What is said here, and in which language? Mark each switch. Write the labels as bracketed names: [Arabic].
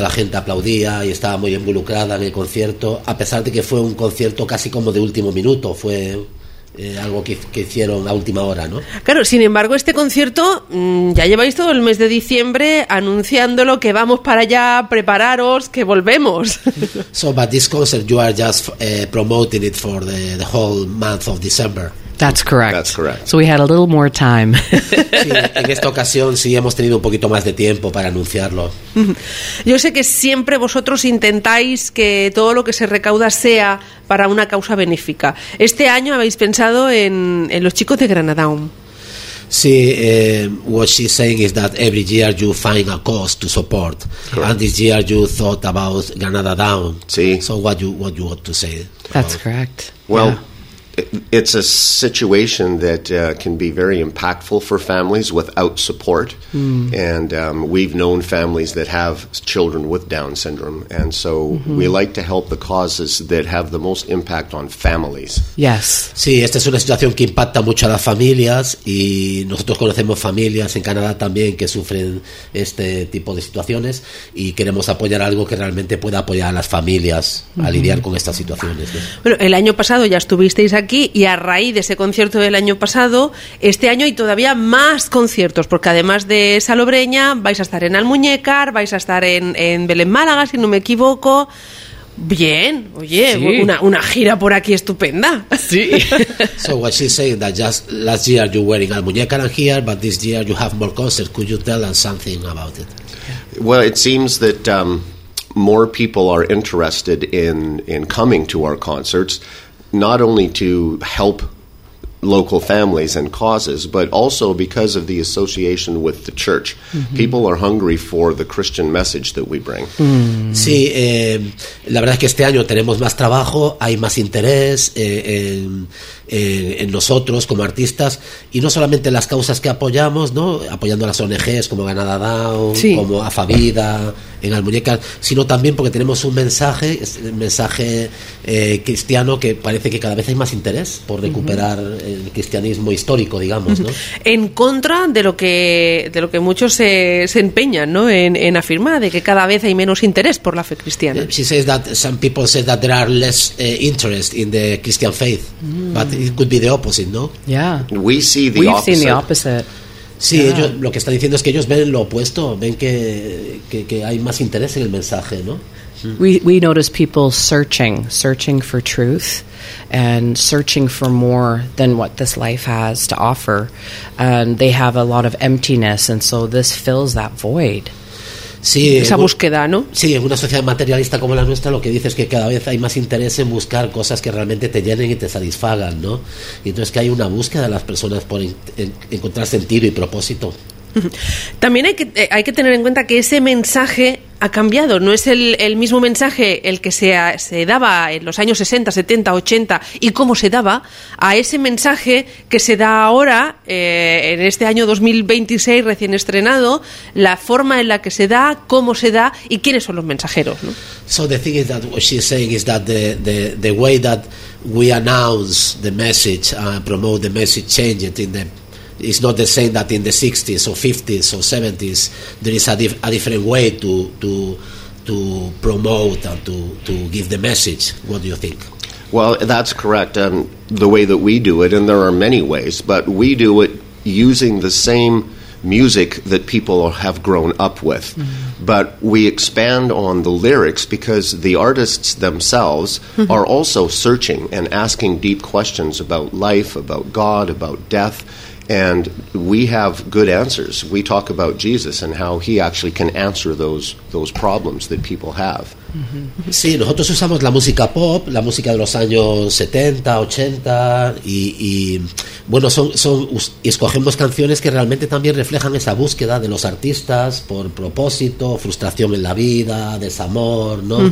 [Spanish] La gente aplaudía y estaba muy involucrada en el concierto. A pesar de que fue un concierto casi como de último minuto, fue algo que hicieron a última hora, ¿no? Claro, sin embargo, este concierto ya lleváis todo el mes de diciembre anunciándolo, que vamos para allá, prepararos, que volvemos. [English] So, but this concert you are just promoting it for the whole month of December. That's correct. So we had a little more time. [Spanish] Sí, en esta ocasión sí hemos tenido un poquito más de tiempo para anunciarlo. Yo sé que siempre vosotros intentáis que todo lo que se recauda sea para una causa benéfica. Este año habéis pensado en los chicos de Granadown. [English] Sí, what she's saying is that every year you find a cause to support. Correct. And this year you thought about Granadown. [Spanish] Sí. [English] So what you want to say? That's correct. Well, yeah. It's a situation that can be very impactful for families without support. Mm. And we've known families that have children with Down syndrome. And so mm-hmm. we like to help the causes that have the most impact on families. Yes. [Spanish] Sí, esta es una situación que impacta mucho a las familias. Y nosotros conocemos familias en Canadá también que sufren este tipo de situaciones. Y queremos apoyar algo que realmente pueda apoyar a las familias mm-hmm. a lidiar con estas situaciones, ¿no? Bueno, el año pasado ya estuvisteis aquí y a raíz de ese concierto del año pasado, este año hay todavía más conciertos, porque además de Salobreña, vais a estar en Almuñécar, vais a estar en Belén, Málaga, si no me equivoco. Bien, oye, sí. una gira por aquí estupenda. Sí. [English] So what she's saying that just last year you were in Almuñécar and here, but this year you have more concerts. Could you tell us something about it? Well, it seems that more people are interested in coming to our concerts. Not only to help local families and causes, but also because of the association with the church. Mm-hmm. People are hungry for the Christian message that we bring. Mm. [Spanish] Sí, la verdad es que este año tenemos más trabajo, hay más interés en nosotros como artistas, y no solamente las causas que apoyamos, ¿no? Apoyando a las ONGs como Ganada Down, sí. como AFA Vida, en Almuñécar, sino también porque tenemos un mensaje, es el mensaje cristiano, que parece que cada vez hay más interés por recuperar mm-hmm. el cristianismo histórico, digamos, ¿no? En contra de lo que muchos se empeñan, ¿no? En afirmar de que cada vez hay menos interés por la fe cristiana. [English] She says that some people say that there are less interest in the Christian faith, mm. but it could be the opposite, [Spanish] ¿no? [English] Yeah. We see the We've opposite. Seen the opposite. Sí, yeah. [Spanish] Ellos lo que están diciendo es que ellos ven lo opuesto, ven que hay más interés en el mensaje, ¿no? [English] We notice people searching for truth and searching for more than what this life has to offer, and they have a lot of emptiness, and so this fills that void. [Spanish] Sí, esa búsqueda, ¿no? Sí, en una sociedad materialista como la nuestra, lo que dices es que cada vez hay más interés en buscar cosas que realmente te llenen y te satisfagan, ¿no? Y entonces que hay una búsqueda de las personas por encontrar sentido y propósito. También hay que tener en cuenta que ese mensaje ha cambiado. No es el mismo mensaje el que se daba en los años 60, 70, 80 y cómo se daba a ese mensaje que se da ahora, en este año 2026 recién estrenado, la forma en la que se da, cómo se da y quiénes son los mensajeros, ¿no? [English] So the thing is that what she's saying is that the way that we announce the message, promote the message, change it in the... It's not the same that in the 60s or 50s or 70s there is a different way to promote and to give the message. What do you think? Well, that's correct. The way that we do it, and there are many ways, but we do it using the same music that people have grown up with. Mm-hmm. But we expand on the lyrics because the artists themselves are also searching and asking deep questions about life, about God, about death. And we have good answers. We talk about Jesus and how he actually can answer those problems that people have. [Spanish] Sí, nosotros usamos la música pop, la música de los años 70, 80, y bueno, escogemos canciones que realmente también reflejan esa búsqueda de los artistas por propósito, frustración en la vida, desamor, ¿no?